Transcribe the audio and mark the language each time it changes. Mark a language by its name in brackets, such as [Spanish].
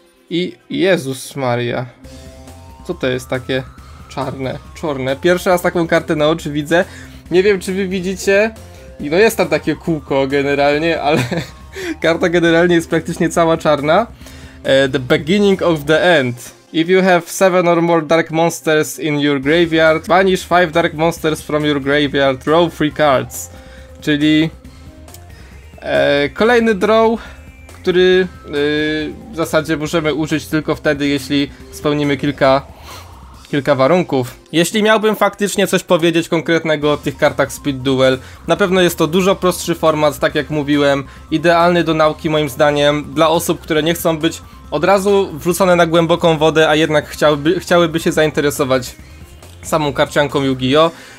[Polish] I Jezus Maria. Co to jest takie? Czarne. Pierwszy raz taką kartę na oczy widzę. Nie wiem, czy wy widzicie. No jest tam takie kółko generalnie, ale karta generalnie jest praktycznie cała czarna. [English] The beginning of the end. If you have 7 or more dark monsters in your graveyard, banish 5 dark monsters from your graveyard, draw 3 cards. [Polish] Czyli kolejny draw, który w zasadzie możemy użyć tylko wtedy, jeśli spełnimy kilka warunków. Jeśli miałbym faktycznie coś powiedzieć konkretnego o tych kartach Speed Duel, na pewno jest to dużo prostszy format, tak jak mówiłem, idealny do nauki moim zdaniem, dla osób, które nie chcą być od razu wrzucone na głęboką wodę, a jednak chciałyby się zainteresować samą karcianką Yu-Gi-Oh!